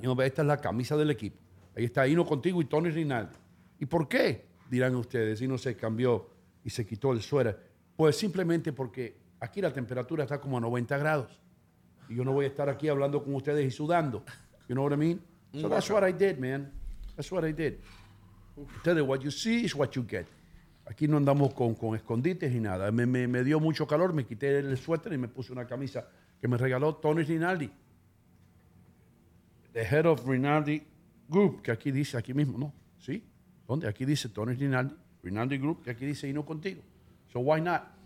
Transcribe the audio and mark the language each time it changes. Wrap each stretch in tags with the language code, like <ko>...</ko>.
<es>Yo, esta es la camisa del equipo. Ahí está Hino Contigo y Tony Rinaldi. ¿Y por qué? Dirán ustedes, y no se cambió y se quitó el suéter. Pues simplemente porque aquí la temperatura está como a 90 grados. Y yo no voy a estar aquí hablando con ustedes y sudando.</es> <en>You know what I mean? So that's what I did, man. That's what I did. I tell you, what you see is what you get.</en> <es>Aquí no andamos con escondites ni nada. Me dio mucho calor, me quité el suéter y me puse una camisa que me regaló Tony Rinaldi.</es> <en>The head of Rinaldi Group,</en> <es>que aquí dice, aquí mismo, ¿no? ¿Sí? ¿Dónde? Aquí dice Tony Rinaldi, Rinaldi Group, y aquí dice Hino Contigo.</es> <en>So why not?</en>